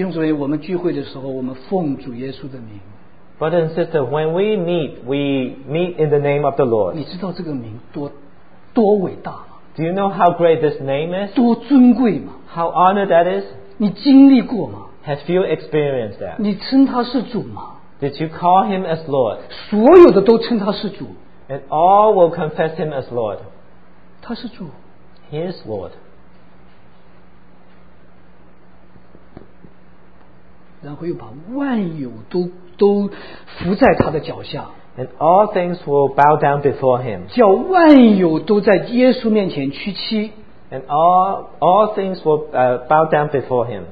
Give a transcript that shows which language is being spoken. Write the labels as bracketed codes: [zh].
[zh] 请问弟兄姊妹，我们聚会的时候，我们奉主耶稣的名。 [en] Brother and sister, when we meet in the name of the Lord. [zh] 你知道这个名多伟大吗？ [en] Do you know how great this name is? [zh] 多尊贵吗？ [en] How honored that is? [zh] 你经历过吗？ [en] Have you experienced that? [zh] 你称他是主吗? [en] Did you call him as Lord? [zh] 所有的都称他是主。 [en] And all will confess him as Lord. [zh] 他是主。 [en] He is Lord. [zh] 然后又把万有都伏在他的脚下。 [en] And all things will bow down before him. [zh] 叫万有都在耶稣面前屈膝。 [en] And all things will bow down before him.